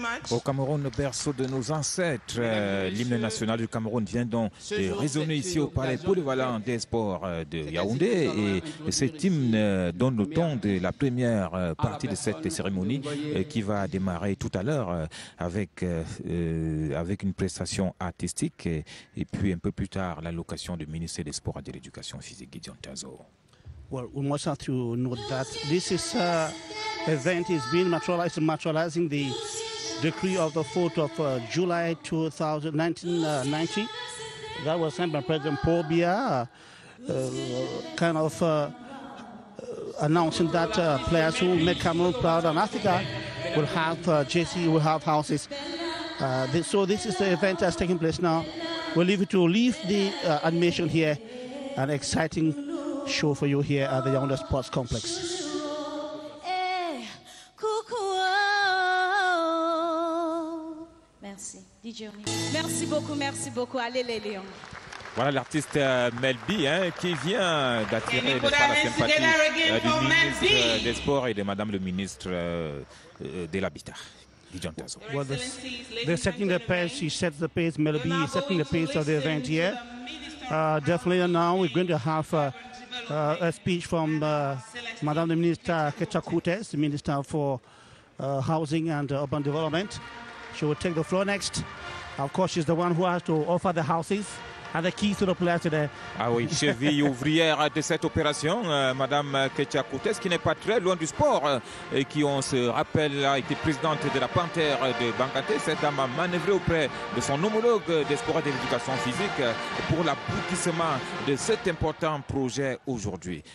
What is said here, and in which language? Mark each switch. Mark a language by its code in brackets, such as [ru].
[fr] au Cameroun, le berceau de nos ancêtres, l'hymne national du Cameroun vient donc de résonner ici au palais polyvalent des sports de Yaoundé. Et cet hymne donne le ton de la première partie de cette cérémonie qui va démarrer tout à l'heure avec une prestation artistique et puis un peu plus tard l'allocation du ministère des Sports et de l'Éducation physique, Gideon Tazo. [en] Well, we must have to note that this is event is being materializing the decree of the 4th of July 1990 that was sent by President Paul Biya, announcing that players who make Cameroon proud and Africa will have JC, will have houses. So this is the event that's taking place now. We'll leave it to leave the admission here an exciting show for you here at the Yaoundé Sports Complex. [fr] Merci beaucoup, merci beaucoup. Allez les Lions. Voilà l'artiste Melby hein, qui vient d'attirer la sympathie du ministre des Sports et de Madame le ministre de l'Habitat. [en] Well, they're setting the pace. He sets the pace. Melby is setting the pace of the event here. Definitely now we're going to have a speech from Madame the Minister Ketcha Kutes, the Minister for Housing and Urban Development. She will take the floor next. Of course, she's the one who has to offer the houses and the keys to the place today. [fr] Ah oui, cheville ouvrière de cette opération, Madame Ketcha Kutes, qui n'est pas très loin du sport et qui, on se rappelle, a été présidente de la Panthère de Bankaté. Cette dame a manœuvré auprès de son homologue des sports et de l'éducation physique pour l'aboutissement de cet important projet aujourd'hui.